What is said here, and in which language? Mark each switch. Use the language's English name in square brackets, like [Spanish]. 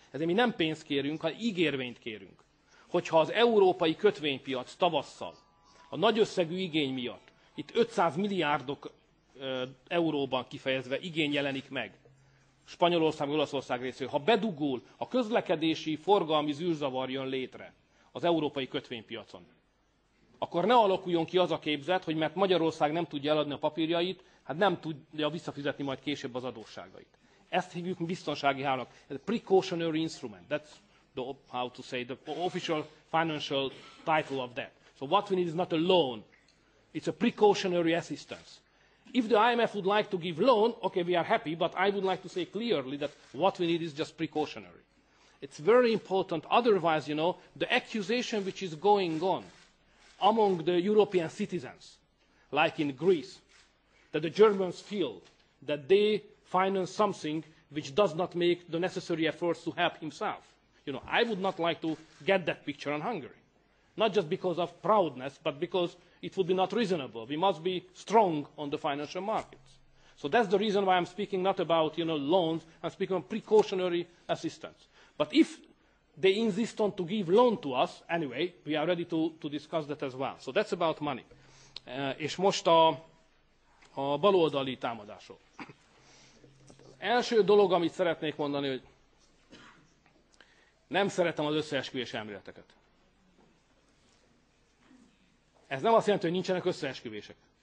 [Hungarian] Ezért mi nem pénzt kérünk, hanem ígérvényt kérünk. Hogyha az európai kötvénypiac tavasszal a nagy összegű igény miatt, itt 500 milliárdok euróban kifejezve igény jelenik meg, Spanyolország, Olaszország részéről, ha bedugul, a közlekedési forgalmi zűrzavar jön létre az európai kötvénypiacon, akkor ne alakuljon ki az a képzet, hogy mert Magyarország nem tudja eladni a papírjait, hát nem tudja visszafizetni majd később az adósságait. Ezt hívjuk biztonsági hálónak. Ez a precautionary instrument. [English] That's the, how to say, the official financial title of that. So what we need is not a loan. It's a precautionary assistance. If the IMF would like to give loan, okay, we are happy, but I would like to say clearly that what we need is just precautionary. It's very important, otherwise, you know, the accusation which is going on among the European citizens, like in Greece, that the Germans feel that they finance something which does not make the necessary efforts to help himself. You know, I would not like to get that picture on Hungary. Not just because of proudness, but because it would be not reasonable. We must be strong on the financial markets. So that's the reason why I'm speaking not about, you know, loans, I'm speaking of precautionary assistance. But if they insist on to give loan to us, anyway, we are ready to discuss that as well. So that's about money. [Hungarian] És most a baloldali támadásról. Első dolog, amit szeretnék mondani, hogy nem szeretem az összeesküvés elméleteket. Ez nem azt jelenti, hogy nincsenek összeesküvések.